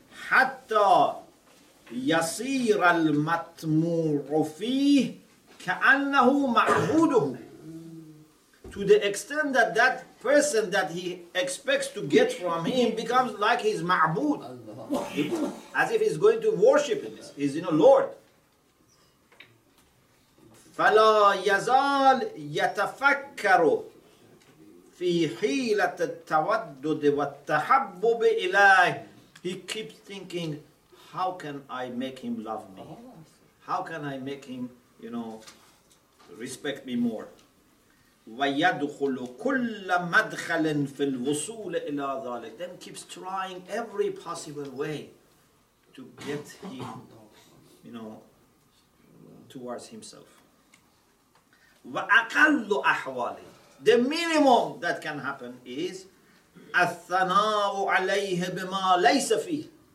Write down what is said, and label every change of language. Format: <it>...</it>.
<ar>Hatta yasir al matmuru fi ka'annahu ma'buduhu.</ar> <en>To the extent that that person that he expects to get from him becomes like his ma'bud, as if he's going to worship him, he's, you know, Lord.</en> <ar>فلا يزال يتفكر في حيلة التودد والتحبب إليه.</ar> <en>He keeps thinking, how can I make him love me? How can I make him, you know, respect me more?</en> <ar>ويدخل كل مدخل في الوصول إلى ذلك.</ar> <en>Then keeps trying every possible way to get him, you know, towards himself.</en> <ar>وأقل أحواله.</ar> <en>The minimum that can happen is</en> <ar>الثناء عليه بما ليس فيه.</ar>